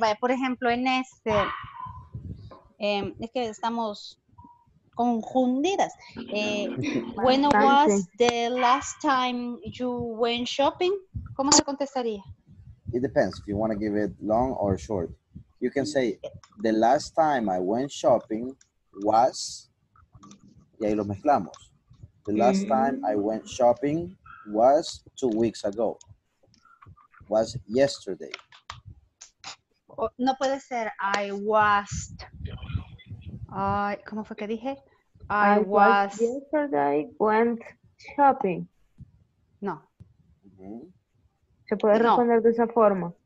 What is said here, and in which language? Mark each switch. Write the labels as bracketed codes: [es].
[es] Vaya, por ejemplo, en este, es que estamos confundidas. [en] When was the last time you went shopping? [es] ¿Cómo se contestaría? [en] It depends if you want to give it long or short. You can say, the last time I went shopping was, [es] y ahí lo mezclamos. [en] The last time I went shopping was 2 weeks ago. Was yesterday. [es] No puede ser, [en] I was, [es] ¿cómo fue que dije? [en] I was. Yesterday went shopping. No. [es] Mm-hmm. ¿Se puede responder de esa forma?